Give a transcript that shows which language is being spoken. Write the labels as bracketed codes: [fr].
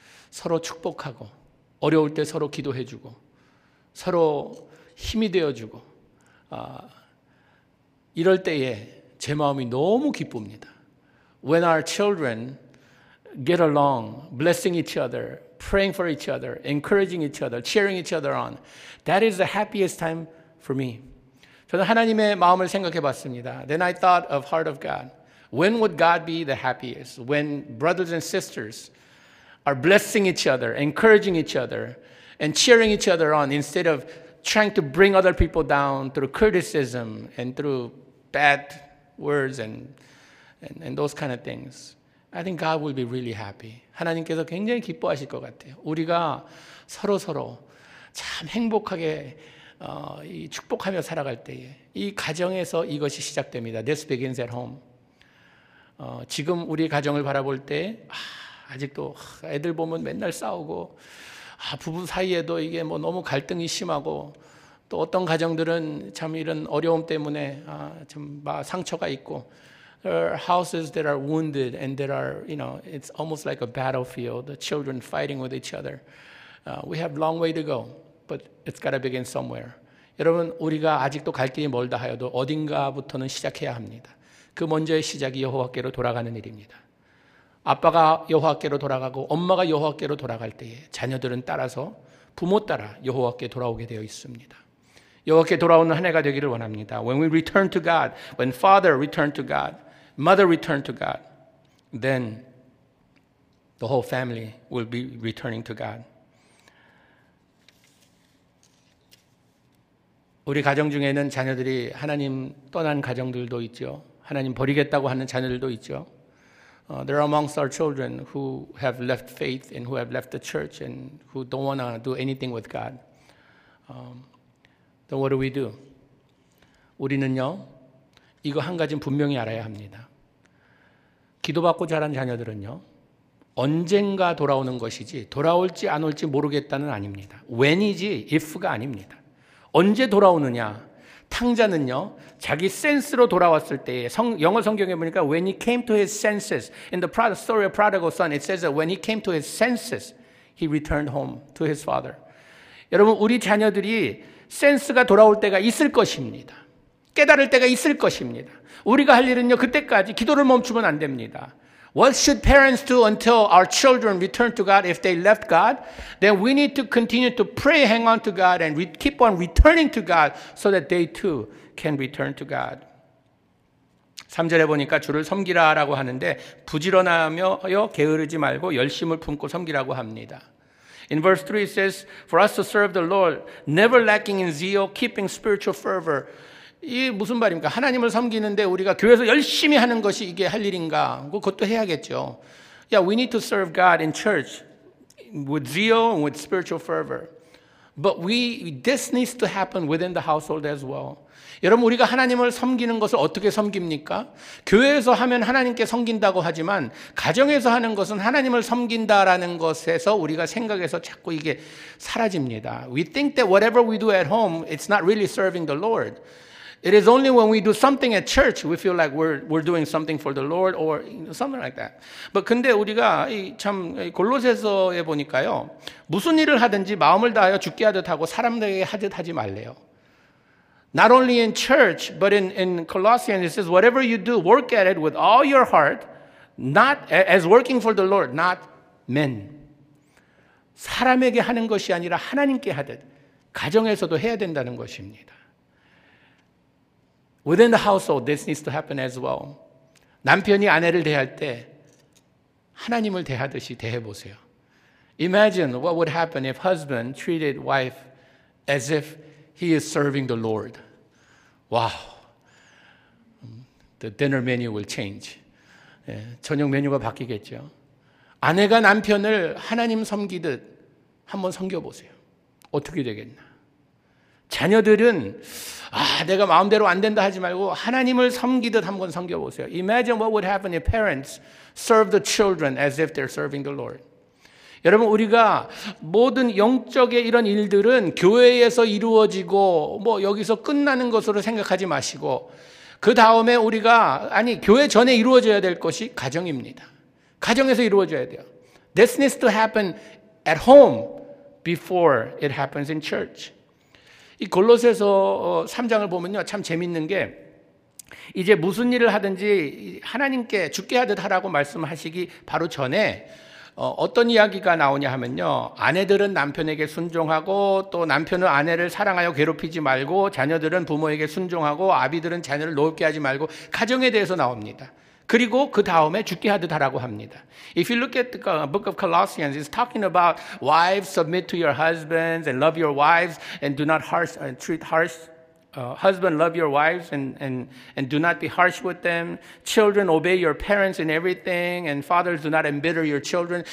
[ko] 서로 축복하고 어려울 때 서로 기도해주고 서로 힘이 되어주고 이럴 때에 제 마음이 너무 기쁩니다. [en] When our children get along, blessing each other, praying for each other, encouraging each other, cheering each other on. That is the happiest time for me. [ko] 저는 하나님의 마음을 생각해 봤습니다. [en] Then I thought of heart of God. When would God be the happiest? When brothers and sisters are blessing each other, encouraging each other, and cheering each other on instead of trying to bring other people down through criticism and through bad words and those kind of things. I think God will be really happy. [ko] 하나님께서 굉장히 기뻐하실 것 같아요. 우리가 서로서로 참 행복하게 축복하며 살아갈 때에 이 가정에서 이것이 시작됩니다. [en] This begins at home. [ko] 지금 우리 가정을 바라볼 때 아직도 애들 보면 맨날 싸우고 부부 사이에도 이게 뭐 너무 갈등이 심하고 또 어떤 가정들은 참 이런 어려움 때문에 좀 상처가 있고 [en] there are houses that are wounded and there are, you know, it's almost like a battlefield, the children fighting with each other. We have long way to go, but it's got to begin somewhere. [ko] 여러분, 우리가 아직도 갈 길이 멀다 하여도 어딘가부터는 시작해야 합니다. 그 먼저의 시작이 여호와께로 돌아가는 일입니다. 아빠가 여호와께로 돌아가고 엄마가 여호와께로 돌아갈 때에 자녀들은 따라서 부모 따라 여호와께 돌아오게 되어 있습니다. 여호와께 돌아오는 한 해가 되기를 원합니다. [en] When we return to God, when father return to God, mother return to God, then the whole family will be returning to God. [ko] 우리 가정 중에는 자녀들이 하나님 떠난 가정들도 있죠. 하나님 버리겠다고 하는 자녀들도 있죠. [en] There are amongst our children who have left faith and who have left the church and who don't want to do anything with God. Then what do we do? [ko] 우리는요, 이거 한 가지는 분명히 알아야 합니다. 기도받고 자란 자녀들은요, 언젠가 돌아오는 것이지 돌아올지 안 올지 모르겠다는 아닙니다. When이지 if가 아닙니다. 언제 돌아오느냐? 탕자는요, 자기 센스로 돌아왔을 때에 영어 성경에 보니까 [en] when he came to his senses, in the story of prodigal son, it says that when he came to his senses, he returned home to his father. [ko] 여러분, 우리 자녀들이 센스가 돌아올 때가 있을 것입니다. 깨달을 때가 있을 것입니다. 우리가 할 일은요, 그때까지 기도를 멈추면 안 됩니다. [en] What should parents do until our children return to God if they left God? Then we need to continue to pray, hang on to God, and keep on returning to God so that they too can return to God. [ko] 3절에 보니까 주를 섬기라라고 하는데 부지런하며 게으르지 말고 열심을 품고 섬기라고 합니다. [en] In verse 3 it says, For us to serve the Lord, never lacking in zeal, keeping spiritual fervor. [ko] 이게 무슨 말입니까? 하나님을 섬기는데 우리가 교회에서 열심히 하는 것이 이게 할 일인가? 그것도 해야겠죠. [en] Yeah, we need to serve God in church with zeal and with spiritual fervor. But this needs to happen within the household as well. [ko] 여러분, 우리가 하나님을 섬기는 것을 어떻게 섬깁니까? 교회에서 하면 하나님께 섬긴다고 하지만 가정에서 하는 것은 하나님을 섬긴다라는 것에서 우리가 생각해서 자꾸 이게 사라집니다. [en] We think that whatever we do at home, it's not really serving the Lord. It is only when we do something at church we feel like we're doing something for the Lord or something like that. [ko] But 근데 우리가 참 골로새서에 보니까요. 무슨 일을 하든지 마음을 다하여 주께 하듯 하고 사람들에게 하듯 하지 말래요. [en] Not only in church but in Colossians it says whatever you do work at it with all your heart not as working for the Lord not men. [ko] 사람에게 하는 것이 아니라 하나님께 하듯 가정에서도 해야 된다는 것입니다. [en] Within the household, this needs to happen as well. [ko] 남편이 아내를 대할 때 하나님을 대하듯이 대해보세요. [en] Imagine what would happen if husband treated wife as if he is serving the Lord. Wow, the dinner menu will change. [ko] 예, 저녁 메뉴가 바뀌겠죠. 아내가 남편을 하나님 섬기듯 한번 섬겨보세요. 어떻게 되겠나. 자녀들은 내가 마음대로 안 된다 하지 말고 하나님을 섬기듯 한번 섬겨보세요. [en] Imagine what would happen if parents serve the children as if they're serving the Lord. [ko] 여러분 우리가 모든 영적의 이런 일들은 교회에서 이루어지고 뭐 여기서 끝나는 것으로 생각하지 마시고 그 다음에 우리가 아니 교회 전에 이루어져야 될 것이 가정입니다. 가정에서 이루어져야 돼요. [en] This needs to happen at home before it happens in church. [ko] 이 골로새서 3장을 보면요 참 재밌는 게 이제 무슨 일을 하든지 하나님께 주께 하듯 하라고 말씀하시기 바로 전에 어떤 이야기가 나오냐 하면요. 아내들은 남편에게 순종하고 또 남편은 아내를 사랑하여 괴롭히지 말고 자녀들은 부모에게 순종하고 아비들은 자녀를 노엽게 하지 말고 가정에 대해서 나옵니다. 그리고 그 다음에 죽게 하듯 하라고 합니다. [en] If you look at the book of Colossians, it's talking about wives submit to your husbands and love your wives and do not harsh and treat harsh. Husband, love your wives and do not be harsh with them. Children, obey your parents in everything. And fathers, do not embitter your children.